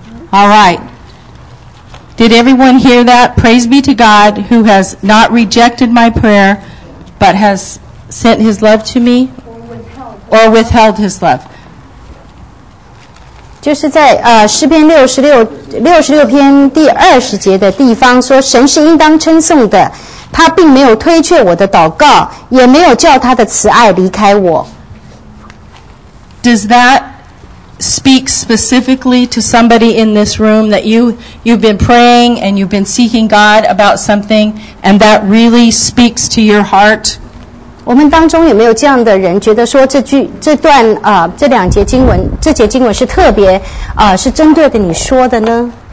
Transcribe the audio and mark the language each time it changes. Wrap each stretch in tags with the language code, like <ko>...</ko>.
<en>All right. Did everyone hear that? Praise be to God who has not rejected my prayer, but has sent his love to me, or withheld his love.</en> <zh>就是在诗篇66篇第20节的地方说，神是应当称颂的，他并没有推却我的祷告，也没有叫他的慈爱离开我。</zh> <en>Does that speak specifically to somebody in this room that you've been praying and you've been seeking God about something, and that really speaks to your heart?</en> <zh>我们当中有没有这样的人觉得说这段这两节经文，这节经文是特别是针对的你说的呢？</zh>